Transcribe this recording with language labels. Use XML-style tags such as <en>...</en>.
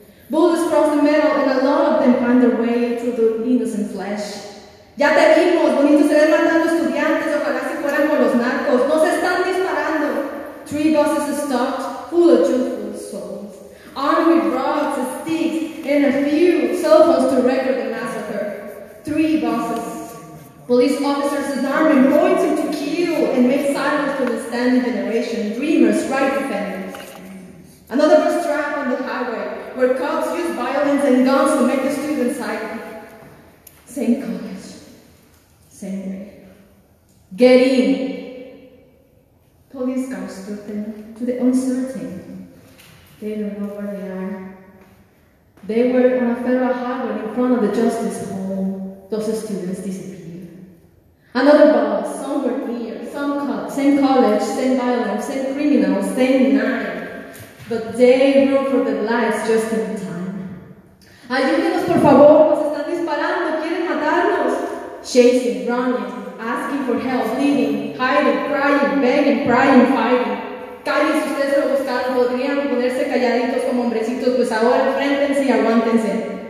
<en>Bullets cross the metal and a lot of them find their way through the innocent flesh.</en> <es>Ya te vimos, bonito se ven matando estudiantes, ojalá si fueran con los narcos. Nos están disparando.</es> <en>Three buses stopped, full of truthful souls. Army rods and sticks, and a few cell phones to record the massacre. Three buses. Police officers and army pointing to kill and make silence to the standing generation, dreamers, right defenders. Another bus trapped on the highway, where cops use violence and guns to make the students silent. Same college, same way. Get in. Police cars took them to the uncertain. They don't know where they are. They were on a federal highway in front of the justice hall. Those students disappeared. Another bus, somewhere near, some same college, same violence, same criminals, same night. But they broke for their lives just in time.</en> <es>Ayúdenos, por favor, nos están disparando, quieren matarnos.</es> <en>Chasing, running, asking for help, leaving, hiding, crying, begging, crying, fighting.</en> <es>Callen si ustedes lo buscaron, podrían ponerse calladitos como hombrecitos, pues ahora enfrentense y aguántense.</es>